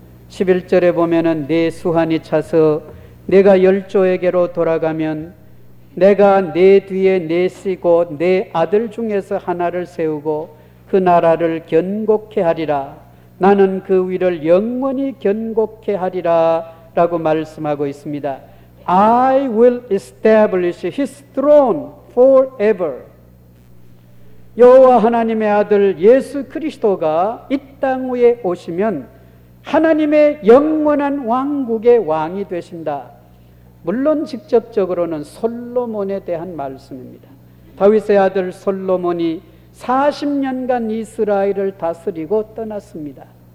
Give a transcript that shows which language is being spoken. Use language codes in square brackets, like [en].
[ko] 11절에 보면은 내 수환이 차서 내가 열조에게로 돌아가면 내가 내 뒤에 내 씨 곧 내 아들 중에서 하나를 세우고 그 나라를 견고케 하리라. 나는 그 위를 영원히 견고케 하리라 라고 말씀하고 있습니다. [en] I will establish his throne forever. [ko] 여호와 하나님의 아들 예수 그리스도가 이 땅 위에 오시면 하나님의 영원한 왕국의 왕이 되신다. 물론 직접적으로는 솔로몬에 대한 말씀입니다. 다윗의 아들 솔로몬이 40년간 이스라엘을 다스리고 떠났습니다.